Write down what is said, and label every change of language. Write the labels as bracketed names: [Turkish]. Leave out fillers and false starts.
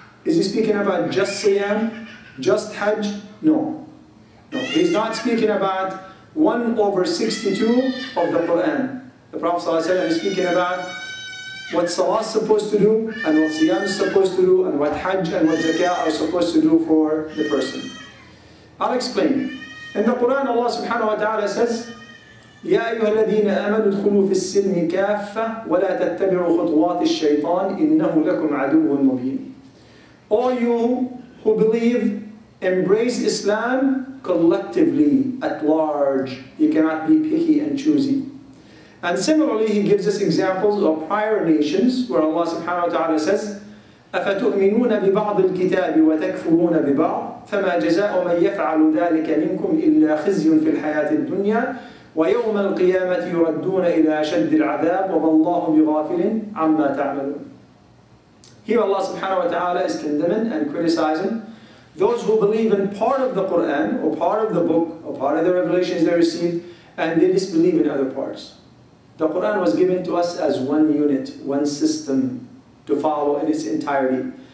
[English] Is he speaking about just siyam? Just hajj? No. He's not speaking about 1 over 62 of the Quran. The Prophet ﷺ is speaking about what salah is supposed to do, and what siyam is supposed to do, and what hajj and what zakah are supposed to do for the person. I'll explain. In the Quran, Allah subhanahu wa ta'ala says, [Arabic] يَا أَيُّهَا الَّذِينَ آمَنُوا ادْخُلُوا فِي السِّلْمِ كَافَّةً وَلَا تَتَّبِعُوا خُطْوَاتِ الشَّيْطَانِ إِنَّهُ لَكُمْ عَدُوٌ مُّبِينٌ. [English] All you who believe, embrace Islam collectively, at large. You cannot be picky and choosy. And similarly, he gives us examples of prior nations where Allah subhanahu wa ta'ala says, [Arabic] أَفَتُؤْمِنُونَ بِبَعْضِ الْكِتَابِ وَتَكْفُرُونَ بِبَعْضِ فَمَا جَزَاءُ مَنْ يَفْعَلُ ذَلِكَ مِنْكُمْ إِلَّا خِزْيٌ فِي الْحَيَاةِ الدُّنْيَا وَيَوْمَ الْقِيَامَةِ يُرَدُّونَ إِلَىٰ أَشَدِّ الْعَذَابِ وَمَا اللَّهُ بِغَافِلٍ عَمَّا تَعْمَلُونَ. [English] Here Allah subhanahu wa ta'ala is condemning and criticizing those who believe in part of the Quran or part of the book or part of the revelations they received, and they disbelieve in other parts. The Quran was given to us as one unit, one system to follow in its entirety.